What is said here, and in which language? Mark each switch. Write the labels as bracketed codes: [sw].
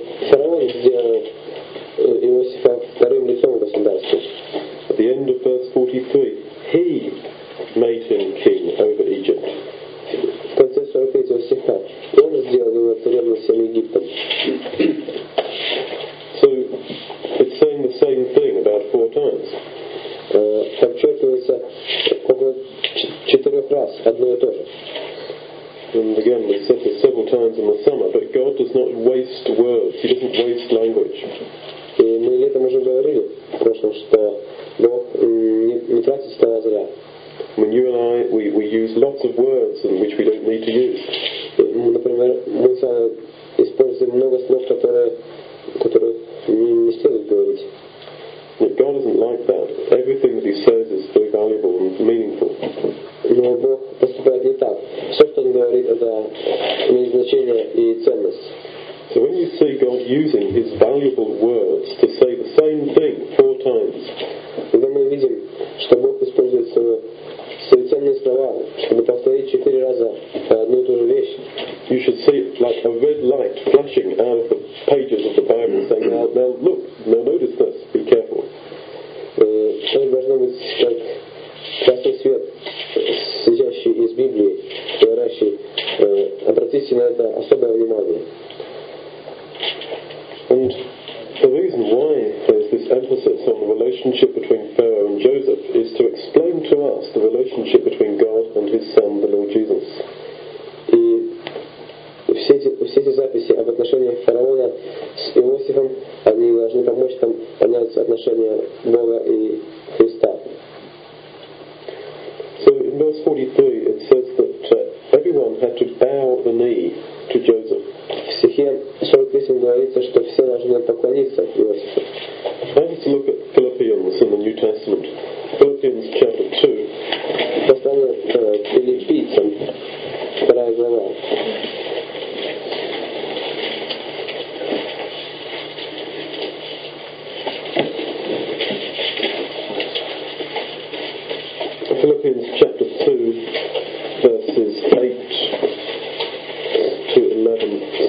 [ru] Фараон сделал Иосифа вторым лицом государства. [en] At the end of verse 43, he made him king over Egypt. [ru] В конце 43 стиха он сделал его царем над всем Египтом. [en] So it's saying the same thing about four times. [ru] Подчеркивается около четырех раз одно и то же. [en] And again, we said this several times in the summer, but God does not waste words. He doesn't waste language. [ru] И мы летом уже говорили в прошлом, что Бог не тратит слова зря. [en] When you and I, we use lots of words in which we don't need to use. [ru] Например, мы с вами используем много слов, которые не стоит говорить. [en] God isn't like that. Everything that He says is very valuable and meaningful. [ru] Но Бог поступает не так. Все, что Он говорит, это имеет значение и ценность. [en] So when you see God using His valuable words to say the same thing four times, [ru] когда мы видим, что Бог использует свои ценные слова, чтобы повторить четыре раза одну и ту же вещь. [en] You should see it like a red light flashing out of the pages of the Bible, saying, "Now look, now notice this, be careful." [ru] Это должно быть как красный свет, светящий из Библии, говорящий, обратите на это особое внимание. [en] And the reason why there's this emphasis on the relationship between Pharaoh and Joseph is to explain to us the relationship between God and His Son, the Lord Jesus. [ru] И все эти записи об отношениях фараона с Иосифом, они должны помочь нам понять отношения Бога и Христа. [en] So in verse 43 it says that everyone had to bow the knee to Joseph. [ru] В стихе 43 говорится, что все должны поклониться Иосифу. [en] Let's look at Philippians in the New Testament. Philippians chapter 2. [ru] Послание к Филиппийцам, вторая глава. [en] Philippians chapter 2, verses 8 to 11.